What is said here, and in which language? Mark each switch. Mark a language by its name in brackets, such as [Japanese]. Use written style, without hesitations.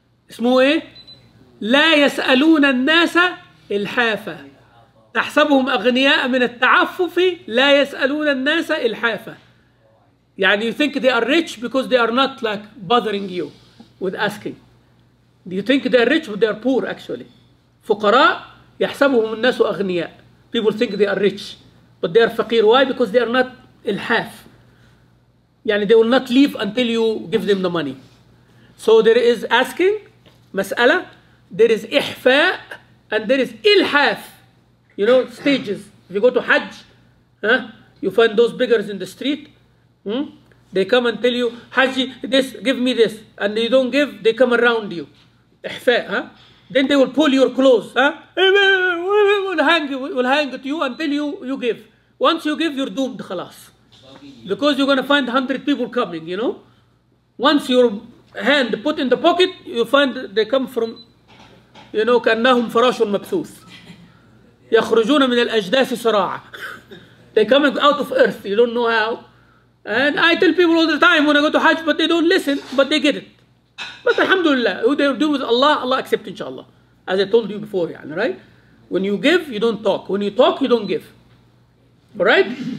[Arabic] اسمه ايه؟ لا يسألون الناس إلحافا. تحسبهم أغنياء من التعفف لا يسألون الناس إلحافا. يعني [English] you think they are rich because they are not like bothering you with asking. You think they are rich but they are poor actually. [Arabic] فقراء يحسبهم الناس أغنياء. [English] People think they are rich, but they are faqir. Why? Because they are not ilhaf. [Arabic] يعني [English] they will not leave until you give them the money. So there is asking, mas'ala, there is ihfa, and there is ilhaf. You know, stages. If you go to hajj, you find those beggars in the street. They come and tell you, haji, this, give me this. And you don't give, they come around you. Ihfa, Then they will pull your clothes. Will hang to you until you give. Once you give, you're doomed, khalas. Because you're going to find 100 people coming, you know. Once your hand put in the pocket, you find they come from, you know, [Arabic] كأنهم فراش مبثوث. يخرجون من الأجداث سراعة. [English] They come out of earth, you don't know how. And I tell people all the time when I go to Hajj, but they don't listen, but they get it. But alhamdulillah, who they do with Allah, Allah accept inshallah. As I told you before, right? When you give, you don't talk. When you talk, you don't give. All right?